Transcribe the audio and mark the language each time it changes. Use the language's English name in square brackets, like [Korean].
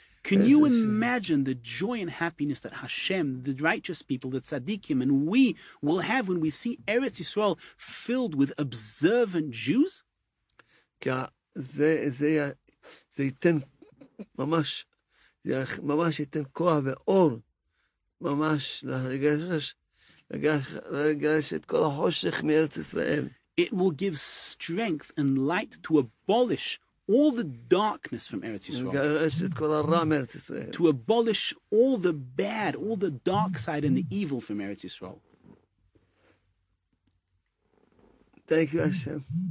[English] Can you imagine the joy and happiness that Hashem, the righteous people, the tzaddikim, and we will have when we see Eretz Yisrael filled with observant Jews? [Hebrew] זה ייתן ממש, ממש ייתן כוח ואור ממש לגרש את כל החושך מארץ ישראל. [English] It will give strength and light to abolish all the darkness from Eretz Yisrael, to abolish all the bad, all the dark side and the evil from Eretz Yisrael. Thank you, Hashem.